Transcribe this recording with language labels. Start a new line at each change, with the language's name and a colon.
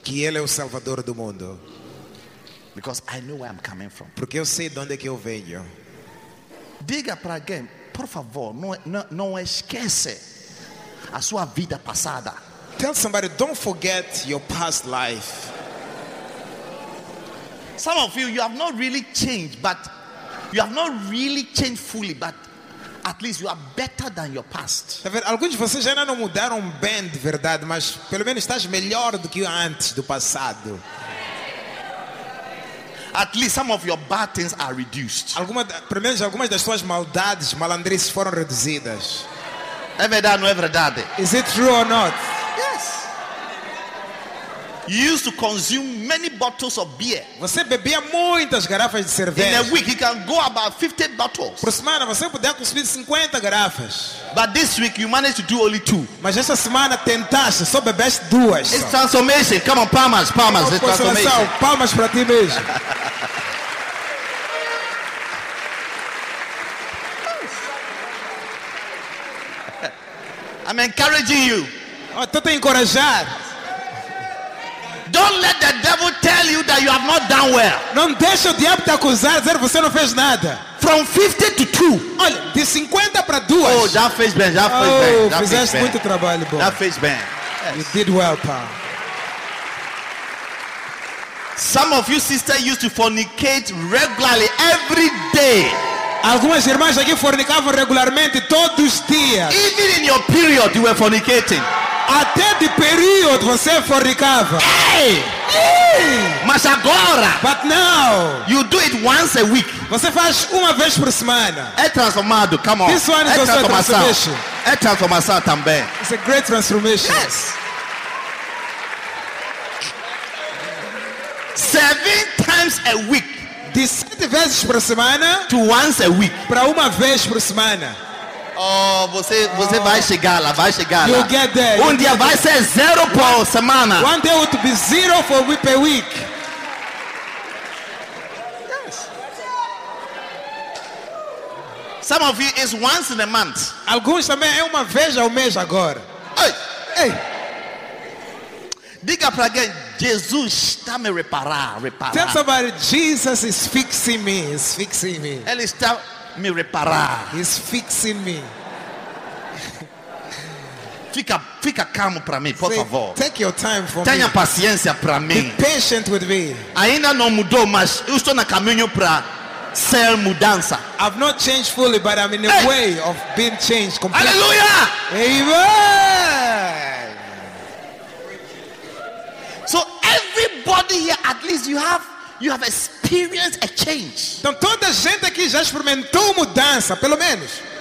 Portuguese: Que ele é o salvador do mundo.
English: Because I know where I'm coming from.
Portuguese: Porque eu sei de onde é que eu venho. Diga para alguém, por favor, não esquece a sua vida passada.
English: Tell somebody, don't forget your past life. Some of you have not really changed, but you have not really changed fully, but at least you are better than your past.
Portuguese: Alguns de vocês ainda não mudaram bem de verdade, mas pelo menos estás melhor do que antes do passado.
English: At least some of your bad things are reduced.
Portuguese: Pelo menos algumas das suas maldades, malandrices foram reduzidas. É verdade, não é verdade?
English: Is it true or not? Yes. You used to consume many bottles of beer.
Portuguese: Você bebia muitas garrafas de cerveja.
English: In a week, you can go about 50 bottles.
Portuguese: Por semana, você podia consumir 50 garrafas.
English: But this week, you managed to do only two.
Portuguese: Mas essa semana tentaste, só bebeste duas.
English: It's transformation. Come on,
Portuguese: palmas, palmas.
English: It's transformation.
Portuguese: Palmas para ti mesmo.
English: I'm encouraging you.
Portuguese: Estou te encorajar.
English: Don't let the devil tell you that you have not done well.
Portuguese: Não deixe o diabo te acusar, dizer você não fez nada.
English: From 50 to 2.
Portuguese: Olha, de 50 para 2. Oh, já fez bem, já fez bem. Oh, fizeste muito trabalho bom. Já fez bem.
English: You did well, pal. Some of you sisters used to fornicate regularly every day.
Portuguese: Algumas irmãs aqui fornicavam regularmente todos os dias.
English: Even in your period you were fornicating.
Portuguese: Até de período você fornicava.
English: Hey! Hey!
Portuguese: Mas agora.
English: But now. You do it once a week.
Portuguese: Você faz uma vez por semana. É transformado,
English: come on. This one is
Portuguese: é
English: also transformação.
Portuguese: É transformação também.
English: It's a great transformation. Yes. Seven times a week.
Portuguese: De 7 vezes por semana.
English: To once a week.
Portuguese: Para uma vez por semana. Oh, você vai chegar lá, vai chegar lá.
English: You'll get there.
Portuguese: Um dia vai ser zero por semana.
English: One day will be zero for week per week. Yes. Some of you is once in a month.
Portuguese: Alguns também é uma vez ao mês agora. Ei, ei. Diga para alguém, Jesus está me reparar.
English: Tell somebody, Jesus is fixing me. He's fixing me.
Portuguese: Ele está me reparar.
English: He's fixing me.
Portuguese: Fica calmo para mim, por favor.
English: Take your time for
Portuguese: Tenha
English: me.
Portuguese: Paciência para mim.
English: Be patient with me.
Portuguese: Ainda não mudou, mas eu estou na caminho para ser mudança.
English: I've not changed fully, but I'm in a way of being changed completely.
Portuguese: Aleluia!
English: Amen! So everybody here, at least you have experienced a change.
Portuguese: Então toda gente aqui já experimentou mudança, pelo menos.